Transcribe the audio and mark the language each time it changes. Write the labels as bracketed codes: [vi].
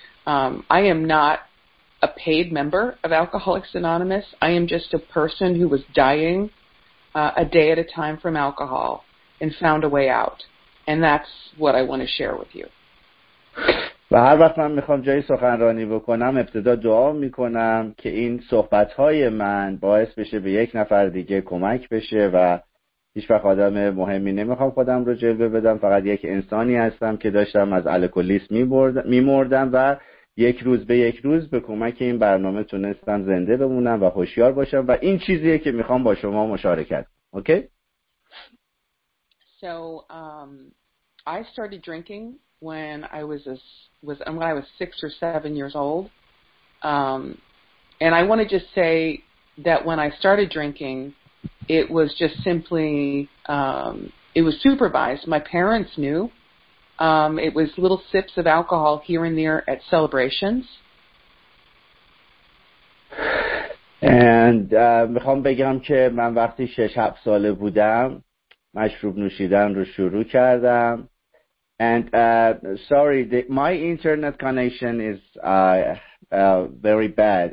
[en] I am not a paid member of Alcoholics Anonymous. I am just a person who was dying a day at a time from alcohol. and found a way out. And that's what I want to share with you. [fa] و هر وقت من میخوام جای سخنرانی بکنم ابتدا دعا میکنم که این صحبت‌های من باعث بشه به یک نفر دیگه کمک بشه و هیچ وقت آدم مهمی نمیخوام خودم رو جلوه بدم، فقط یک انسانی هستم که داشتم از الکلیسم میمردم و یک روز به یک روز به کمک این برنامه تونستم زنده بمونم و هوشیار باشم و این چیزیه که میخوام با شما مشارکت. [en] Okay? So I started drinking when I was when I was 6 or 7 years old. And I want to just say that when I started drinking, it was just simply it was supervised. My parents knew. It was little sips of alcohol here and there at celebrations. [fa] And میخوام بگم که من وقتی 6-7 ساله بودم مشروب نوشیدن رو شروع کردم. [en] And sorry, my internet connection is very bad.